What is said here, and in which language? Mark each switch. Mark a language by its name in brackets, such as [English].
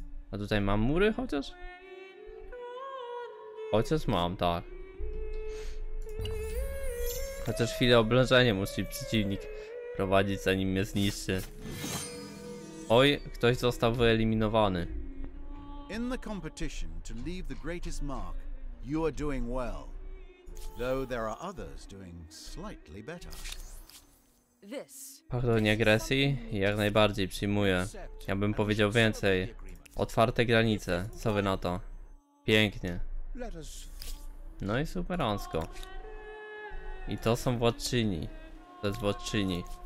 [Polish] A tutaj mam mury chociaż? Chociaż mam, tak. Chociaż chwilę oblężenie musi przeciwnik prowadzić, zanim mnie zniszczy. Oj, ktoś został wyeliminowany. [English] In the competition to leave the greatest mark, you are doing well. Though there are others doing slightly better. This [Polish] Pochodzenie agresji? Jak najbardziej przyjmuję. Ja bym powiedział więcej. Otwarte granice. Co wy na to? Pięknie. No i superansko. I to są władczyni. To jest władczyni.